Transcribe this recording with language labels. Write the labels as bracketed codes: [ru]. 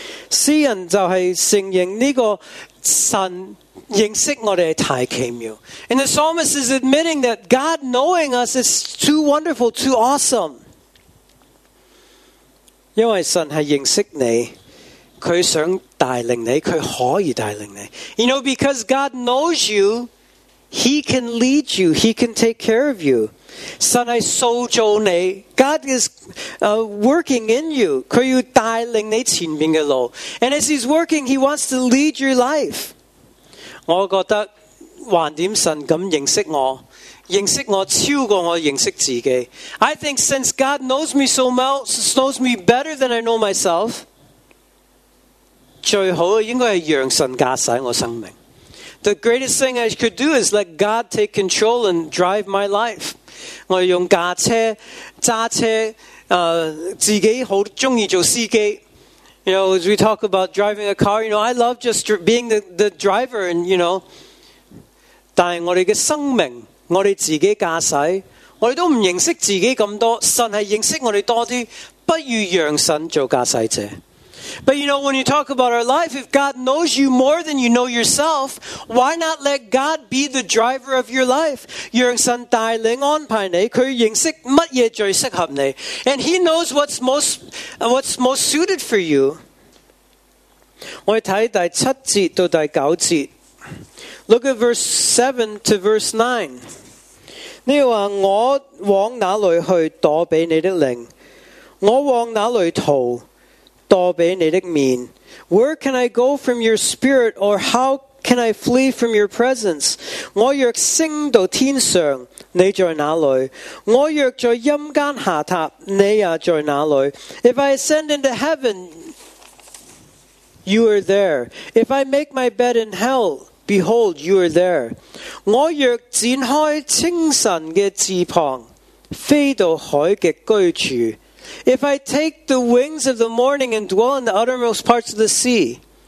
[zh] 诗人就是承认这个神认识我们太奇妙。 [en] And the psalmist is admitting that God knowing us is too wonderful, too awesome. [zh] 因为神是认识你，祂想带领你，祂可以带领你。 [en] You know, because God knows you, He can lead you, He can take care of you. [zh] 神是塑造你， [en] God is working in you. [zh] 祂要带领你前面的路。 [en] And as He's working, He wants to lead your life. [zh] 我觉得还点神敢认识我，认识我超过我认识自己。 [en] I think since God knows me so well, knows me better than I know myself, [zh] 最好应该是让神驾驶我生命。 [en] The greatest thing I could do is let God take control and drive my life. [zh] 我用驾车驾车自己好鍾意做司机。 [en] You know, as we talk about driving a car, you know, I love just being the driver, and you know, [zh] 但是我们的生命，我们自己驾驶，我们都不认识自己那么多，神是认识我们多些，不如让神做驾驶者。 [en] But you know, when you talk about our life, if God knows you more than you know yourself, why not let God be the driver of your life? [zh] 让神带领安排你，祂认识乜嘢最适合你。 [en] And He knows what's most suited for you. [zh] 我们看第七节到第九节。 [en] Look at verse 7 to verse [zh] 9. 你说我往哪里去躲避你的灵，我往哪里逃躲避你的面。 [en] Where can I go from your spirit, or how can I flee from your presence? [zh] 我若升到天上，你在哪里？我若在阴间下榻，你也在哪里？ [en] If I ascend into heaven, you are there. If I make my bed in hell, behold, you are there. [zh] 我若展开清晨的翅膀，飞到海的居处。 [en] If I take the wings of the morning and dwell in the uttermost parts of the sea,